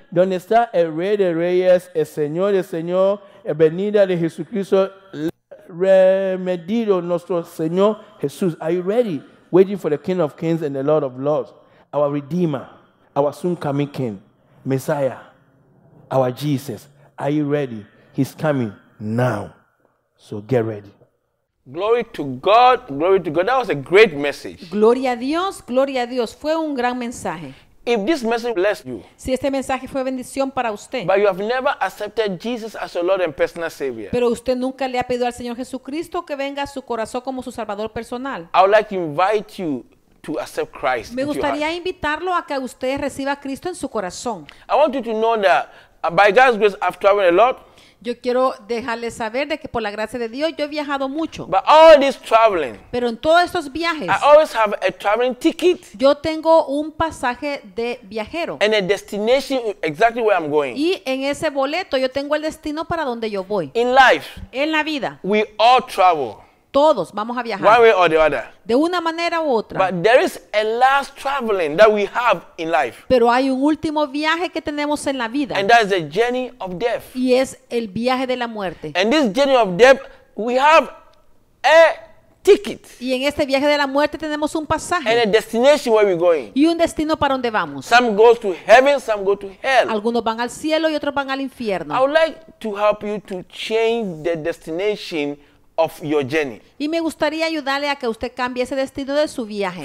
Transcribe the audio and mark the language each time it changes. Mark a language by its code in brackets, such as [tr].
[es] Donde está el rey de reyes, el señor, la venida de Jesucristo, remedido nuestro señor Jesús. [en] Are you ready? Waiting for the King of Kings and the Lord of Lords, our Redeemer, our soon coming King, Messiah, our Jesus. Are you ready? He's coming now. So get ready. Glory to God. Glory to God. That was a great message. [es] Gloria a Dios. Gloria a Dios. Fue un gran mensaje. [en] If this message blessed you, [es] si este mensaje fue bendición para usted, [en] but you have never accepted Jesus as your Lord and personal Savior, [es] pero usted nunca le ha pedido al Señor Jesucristo que venga a su corazón como su Salvador personal, [en] I would like to invite you to accept Christ. [es] Me gustaría invitarlo a que usted reciba a Cristo en su corazón. [en] I want you to know that by God's grace, I've traveled a lot. [es] Yo quiero dejarles saber de que por la gracia de Dios yo he viajado mucho. [en] But all this traveling, [es] pero en todos estos viajes, [en] I always have a traveling ticket, [es] yo tengo un pasaje de viajero. [en] And a destination exactly where I'm going. [es] Y en ese boleto yo tengo el destino para donde yo voy. [en] In life, [es] en la vida, [en] we all travel. [es] Todos vamos a viajar. [en] One way or the other. [es] De una manera u otra. [en] But there is a last traveling that we have in life. [es] Pero hay un último viaje que tenemos en la vida. [en] And that is the journey of death. [es] Y es el viaje de la muerte. [en] And this journey of death, we have a ticket. [es] Y en este viaje de la muerte tenemos un pasaje. [en] And a destination where we're going. [es] Y un destino para donde vamos. [en] Some go to heaven, some go to hell. [es] Algunos van al cielo y otros van al infierno. [en] I would like to help you to change the destination of your journey. [es] Y me gustaría ayudarle a que usted cambie ese destino de su viaje.